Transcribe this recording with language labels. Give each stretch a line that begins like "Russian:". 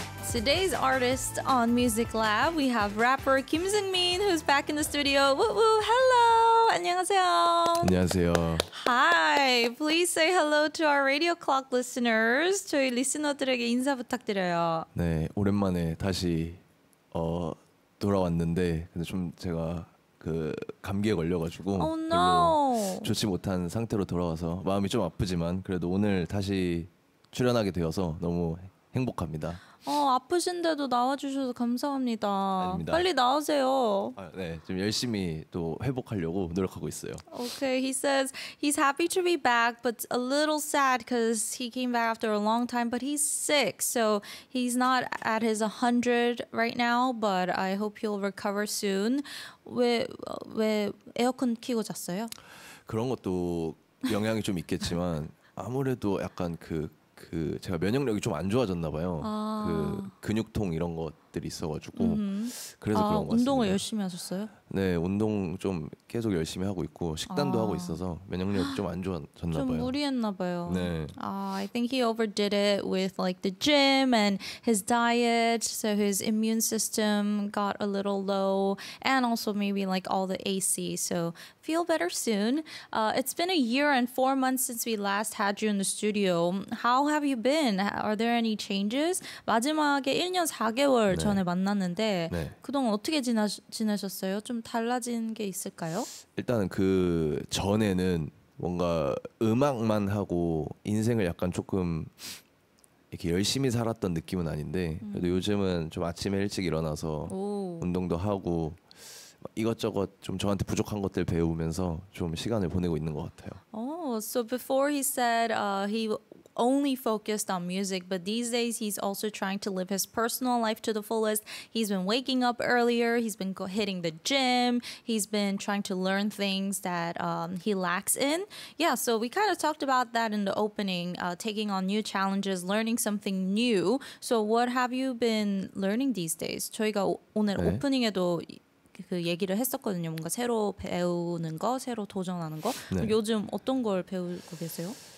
English: Today's artist on Music Lab, we have rapper Kim Seungmin, who's back in the studio. Woo woo! Hello,
Korean: 안녕하세요. 안녕하세요.
English: Hi. Please say hello to our Radio Clock listeners.
Korean: 저희 리스너들에게 인사 부탁드려요. 네, 오랜만에 다시 돌아왔는데 근데 좀 제가 그 감기에 걸려가지고 별로 좋지 못한 상태로 돌아와서 마음이 좀 아프지만 그래도 오늘 다시 출연하게 되어서 너무 행복합니다. 아프신데도 나와주셔서 감사합니다. 아닙니다. 빨리 나으세요. 네, 좀 열심히 또 회복하려고 노력하고 있어요.
English: Okay, he says he's happy to be back, but a little sad because he came back after a long time, but he's sick. So he's not at his 100 right now, but I hope he'll recover soon.
Korean: 왜 에어컨 켜고 잤어요? 그런 것도 영향이 좀 있겠지만 아무래도 약간 그 제가 면역력이 좀 안 좋아졌나 봐요. 그 근육통 이런 것들이 있어가지고 그래서 그런 것 같습니다. 운동을 열심히 하셨어요? 네, 운동 좀 계속 열심히 하고 있고 식단도 하고 있어서 면역력이 좀 안 좋아졌나 봐요. 좀 무리했나 봐요. 네.
English: I think he overdid it with like the gym and his diet, so his immune system got a little low, and also maybe like all the AC. So feel better soon. It's been a year and 4 months since we last had you in the studio. How have you been? Are there any changes?
Korean: 마지막에 1년 4개월 네. 전에 만났는데 네. 그동안 어떻게 지내셨어요? 좀 달라진 게 있을까요? 일단 그 전에는 뭔가 음악만 하고 인생을 약간 조금 이렇게 열심히 살았던 느낌은 아닌데 그래도 요즘은 좀 아침에 일찍 일어나서 운동도 하고 이것저것 좀 저한테 부족한 것들 배우면서 좀 시간을 보내고 있는 것 같아요.
English: Oh, so before he said he only focused on music, but these days he's also trying to live his personal life to the fullest. He's been waking up earlier. He's been hitting the gym. He's been trying to learn things that he lacks in. Yeah, so we kind of talked about that in the opening, taking on new challenges, learning something new. So what have you been learning these days?
Korean: 저희가 오늘 네. 오프닝에도 그 얘기를 했었거든요. 뭔가 새로 배우는 거, 새로 도전하는 거. 네. 요즘 어떤 걸 배우고 계세요?